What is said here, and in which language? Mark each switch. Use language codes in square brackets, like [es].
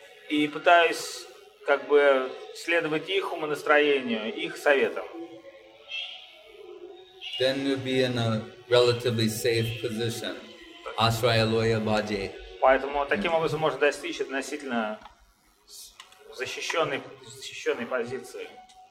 [ru] И пытаюсь как бы следовать их умонастроению, их советам. [en] Then you'll be in a relatively safe position. [sa] Ashraya loya bhaje. [ru] Поэтому таким образом можно достичь относительно защищенной позиции.